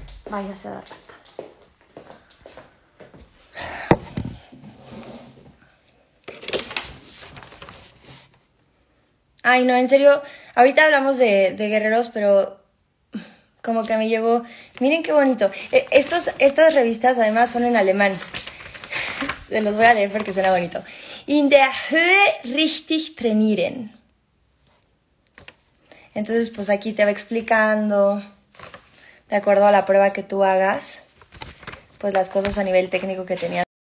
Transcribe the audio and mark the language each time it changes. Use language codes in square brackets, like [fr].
[es] Váyase a dar ay, no, en serio. Ahorita hablamos de guerreros, pero como que me llegó. Miren qué bonito. Estas revistas además son en alemán. Se los voy a leer porque suena bonito. [de] In der Höhe richtig trainieren. [es] Entonces, pues aquí te va explicando, de acuerdo a la prueba que tú hagas, pues las cosas a nivel técnico que tenías.